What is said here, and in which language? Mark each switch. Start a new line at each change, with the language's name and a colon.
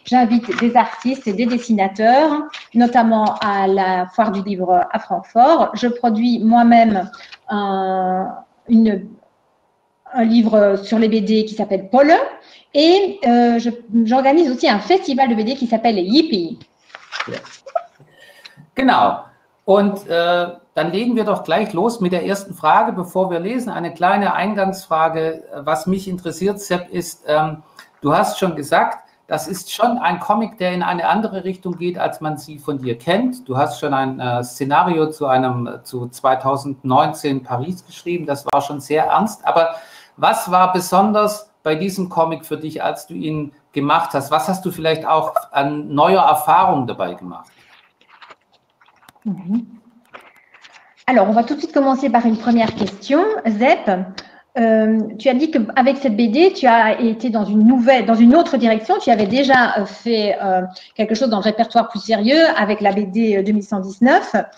French: J'invite des artistes et des dessinateurs, notamment à la Foire du Livre à Francfort. Je produis moi-même un livre sur les BD qui s'appelle Paul. Et j'organise aussi un festival de BD qui s'appelle Yippie.
German: Ja. Genau. Und dann legen wir doch gleich los mit der ersten Frage, bevor wir lesen. Eine kleine Eingangsfrage, was mich interessiert, Sepp, ist, du hast schon gesagt, das ist schon ein Comic, der in eine andere Richtung geht, als man sie von dir kennt. Du hast schon ein Szenario zu 2019 Paris geschrieben. Das war schon sehr ernst. Aber was war besonders bei diesem Comic für dich, als du ihn gemacht hast? Was hast du vielleicht auch an neuer Erfahrung dabei gemacht?
French: Alors, on va tout de suite commencer par une première question. Sepp, tu as dit qu'avec cette BD, tu as été dans une autre direction. Tu avais déjà fait quelque chose dans le répertoire plus sérieux avec la BD 2119.